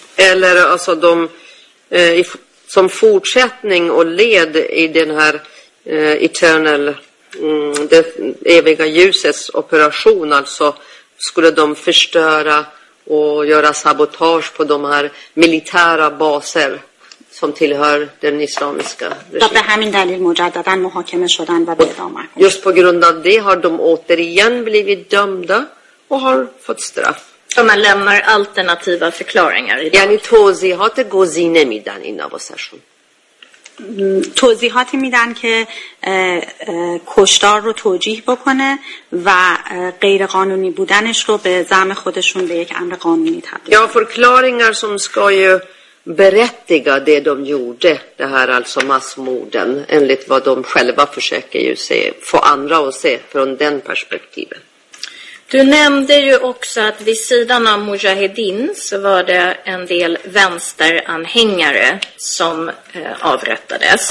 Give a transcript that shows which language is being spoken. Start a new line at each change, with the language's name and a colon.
Swedish: Eller alltså de som fortsättning och led i den här eternal det eviga ljusets operation alltså skulle de förstöra och göra sabotage på de här militära baser som tillhör den islamiska regimen. Just på grund av det har de återigen blivit dömda och har fått straff. Så man lämnar alternativa förklaringar idag.
Persian: Yani توضیحات گزینه میدن اینا واسهشون. توضیحاتی میدن که کشتار رو توجیه بکنه و غیر قانونی بودنش رو به زعم خودشون به یک امر قانونی تبدیل.
Swedish: Ja, förklaringar som ska ju berättiga det de gjorde, det här alltså massmorden, enligt vad de själva försöker ju se, få andra att se från den perspektiven. Du nämnde ju också att vid sidan av Mujahedin så var det en del vänsteranhängare som avrättades.